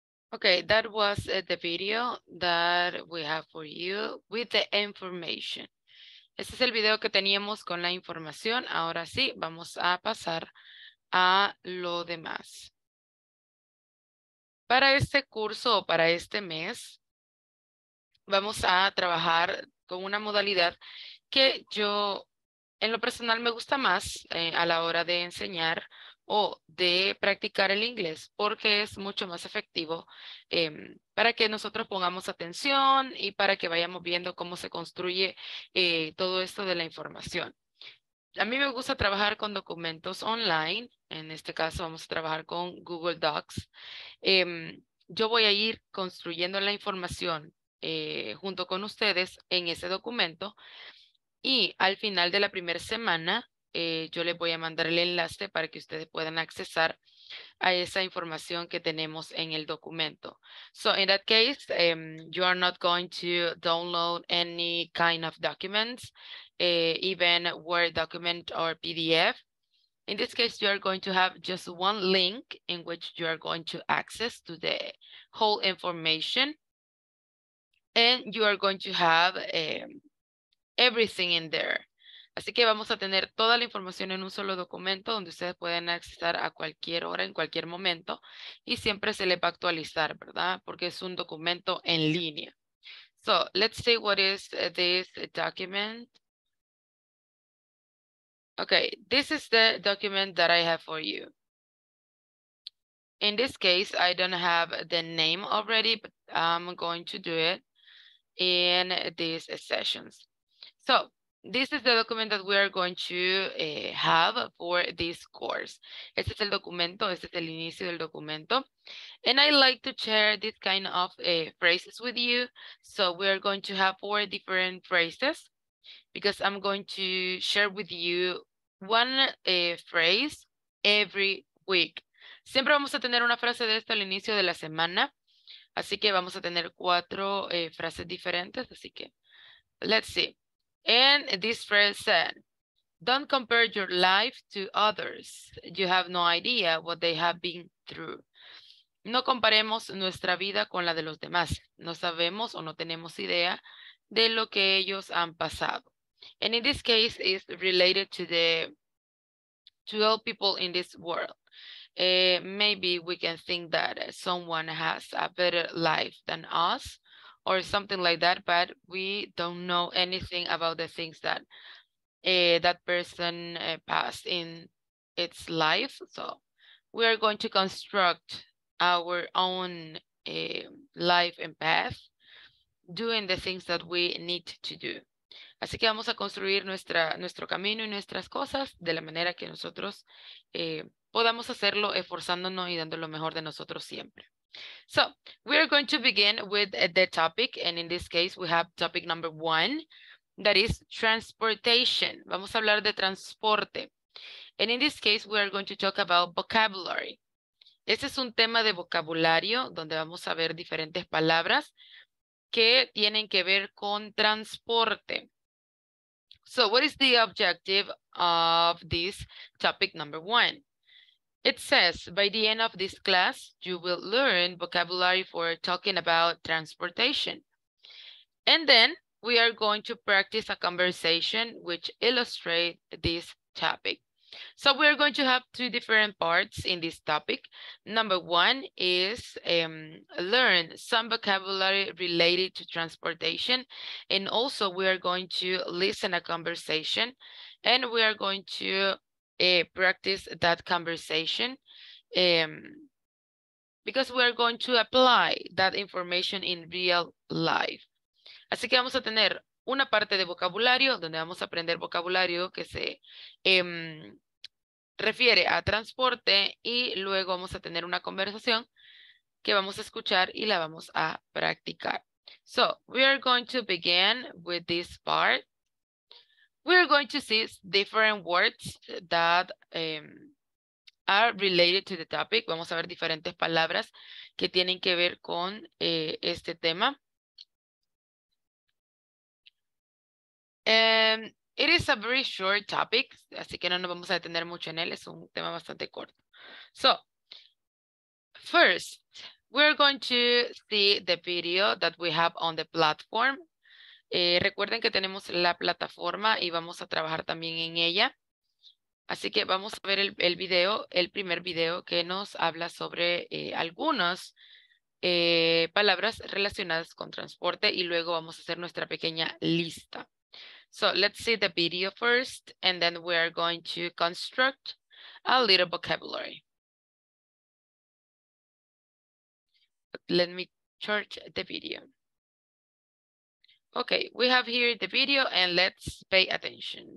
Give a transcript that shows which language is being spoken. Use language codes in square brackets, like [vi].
[en] Okay, that was the video that we have for you with the information. [es] Este es el video que teníamos con la información. Ahora sí, vamos a pasar a lo demás. Para este curso o para este mes, vamos a trabajar con una modalidad que yo, en lo personal, me gusta más a la hora de enseñar o de practicar el inglés, porque es mucho más efectivo para que nosotros pongamos atención y para que vayamos viendo cómo se construye todo esto de la información. A mí me gusta trabajar con documentos online. En este caso vamos a trabajar con Google Docs. Yo voy a ir construyendo la información junto con ustedes en ese documento, y al final de la primera semana yo les voy a mandar el enlace para que ustedes puedan accesar a esa información que tenemos en el documento. [en] So in that case, you are not going to download any kind of documents, even Word document or PDF. In this case, you are going to have just one link in which you are going to access to the whole information. And you are going to have everything in there. [es] Así que vamos a tener toda la información en un solo documento donde ustedes pueden accesar a cualquier hora, en cualquier momento. Y siempre se les va a actualizar, ¿verdad? Porque es un documento en línea. [en] So, let's see what is this document. Okay, this is the document that I have for you. In this case, I don't have the name already, but I'm going to do it in these sessions. So, this is the document that we are going to have for this course. [es] Este es el documento, este es el inicio del documento. [en] And I like to share this kind of phrases with you. So we are going to have four different phrases because I'm going to share with you one phrase every week. [es] Siempre vamos a tener una frase de esto al inicio de la semana. Así que vamos a tener cuatro frases diferentes. Así que, [en] let's see. And this phrase said, don't compare your life to others. You have no idea what they have been through. [es] No comparemos nuestra vida con la de los demás. No sabemos o no tenemos idea de lo que ellos han pasado. [en] And in this case, it's related to the to all people in this world. Maybe we can think that someone has a better life than us, or something like that, but we don't know anything about the things that that person passed in its life. So we are going to construct our own life and path, doing the things that we need to do. [es] Así que vamos a construir nuestro camino y nuestras cosas de la manera que nosotros podamos hacerlo, esforzándonos y dando lo mejor de nosotros siempre. [en] So, we are going to begin with the topic, and in this case, we have topic number one, that is transportation. [es] Vamos a hablar de transporte. [en] And in this case, we are going to talk about vocabulary. [es] Este es un tema de vocabulario, donde vamos a ver diferentes palabras que tienen que ver con transporte. [en] So, what is the objective of this topic number one? It says, by the end of this class, you will learn vocabulary for talking about transportation. And then we are going to practice a conversation which illustrates this topic. So we are going to have two different parts in this topic. Number one is learn some vocabulary related to transportation. And also we are going to listen a conversation and we are going to practice that conversation because we are going to apply that information in real life. Así que vamos a tener una parte de vocabulario donde vamos a aprender vocabulario que se refiere a transporte y luego vamos a tener una conversación que vamos a escuchar y la vamos a practicar. So, we are going to begin with this part. We're going to see different words that are related to the topic. [es] Vamos a ver diferentes palabras que tienen que ver con este tema. [en] It is a very short topic, [es] así que no nos vamos a detener mucho en él. Es un tema bastante corto. [en] So, first, we're going to see the video that we have on the platform. [es] Recuerden que tenemos la plataforma y vamos a trabajar también en ella. Así que vamos a ver el video, el primer video que nos habla sobre algunas palabras relacionadas con transporte y luego vamos a hacer nuestra pequeña lista. [en] So let's see the video first and then we are going to construct a little vocabulary. Let me charge the video. Okay, we have here the video and let's pay attention.